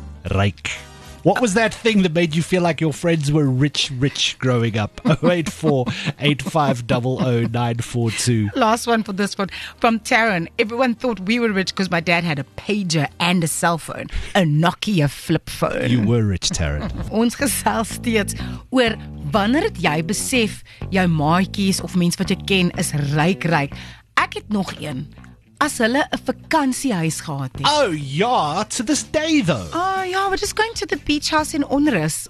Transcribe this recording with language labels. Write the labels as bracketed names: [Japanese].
[Afrikaans] Rike. [English] What was that thing that made you feel like your friends were rich, rich growing up? 084-8500-942. Last one for this one. From Taryn. Everyone thought we were rich because my dad had a pager and a cell phone. A Nokia flip phone. You were rich, Taryn. [Afrikaans] Ons gesels steeds oor wanneer het jy besef jou maatjies of mense wat jy ken is ryk, ryk. Ek het nog een. As hulle 'n vakansiehuis gehad het. [English] Oh ja, to this day though. Oh ja, we're just going to the beach house in Onrus.